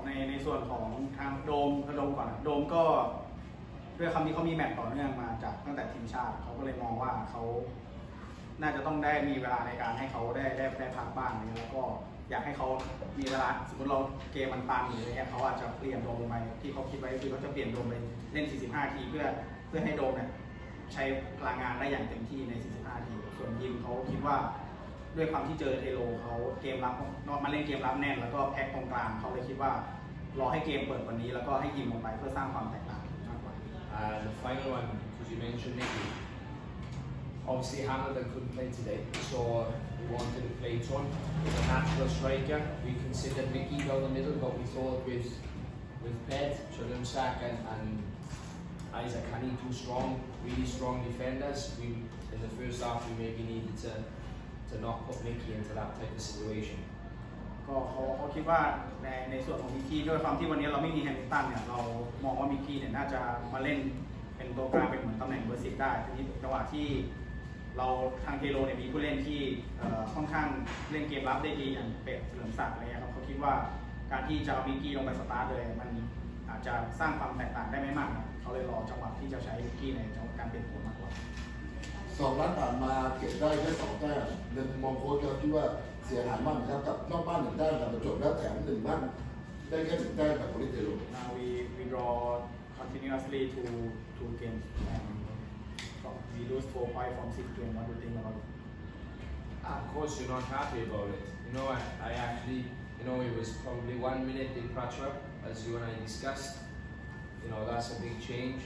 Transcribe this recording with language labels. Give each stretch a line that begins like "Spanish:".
Thai: ในส่วนของทางโดมพะโดมก่อนโดมก็ด้วยคำที่เขามีแมตช์ต่อเนื่องมาจากตั้งแต่ทีมชาติเขาก็เลยมองว่าเขาน่าจะต้องได้มีเวลาในการให้เขาได้พักบ้างนะแล้วก็อยากให้เขามีเวลาสมมติเราเกมมันปังหรืออะไรเงี้ยเขาอาจจะเปลี่ยนโดมไปที่เขาคิดไว้คือเขาจะเปลี่ยนโดมไปเล่น45ทีเพื่อให้โดมเนี่ยใช้พลังงานได้อย่างเต็มที่ใน45นาทีส่วนยิมเขาคิดว่า ด้วยความที่เจอเทโลเขาเกมรับนอกมาเล่นเกมรับแน่นแล้วก็แพ็คตรงกลางเขาเลยคิดว่ารอให้เกมเปิดวันนี้แล้วก็ให้ยิมลงไปเพื่อสร้างความแตกต่างมากกว่า
English: The final one could you mention Nicky obviously Hamada couldn't play today so we wanted to play Ton a natural striker we considered Nicky down the middle but we thought with Pet Chalum Sack andIsaac Hanny, two strong, really strong defenders. We, in the first half, we maybe needed to not put Mickey into that type of situation.
Thai: ก็เขาคิดว่าในส่วนของมิกกี้ด้วยความที่วันนี้เราไม่มีแฮมิลตันเนี่ยเรามองว่ามิกกี้เนี่ยน่าจะมาเล่นเป็นตัวกลางเป็นเหมือนตำแหน่งเบอร์สิบได้ทีนี้ระหว่างที่เราทางเทโรเนี่ยมีผู้เล่นที่ค่อนข้างเล่นเกมรับได้ดีอย่างเป็ดเฉลิมศักดิ์อะไรเงี้ยครับเขาคิดว่าการที่จะเอามิกกี้ลงไปสตาร์ทเลยมันอาจจะสร้างความแตกต่างได้ไม่มากเขาเลยรอจังหวะที่จะใช้กี้ในจังหวะการเปลี่ยนตัวมากกว่า สองนัดผ่านมาเก็บได้แค่สองแต้มหนึ่งมองโค้ชคิดว่าเสียหายมากนะครับกับนอกบ้านหนึ่งแต้มแต่จบแล้วแถมหนึ่งบ้านได้แค่หนึ่งแต้มกับโอลิเทโร
English: Now we draw continuously two games and we lose 4-5 from 6 games what do you think about it? Of course you're not happy about it you know I actually you know it was probably 1 minute in Pratchup as you and I discussedYou know, that's a big change.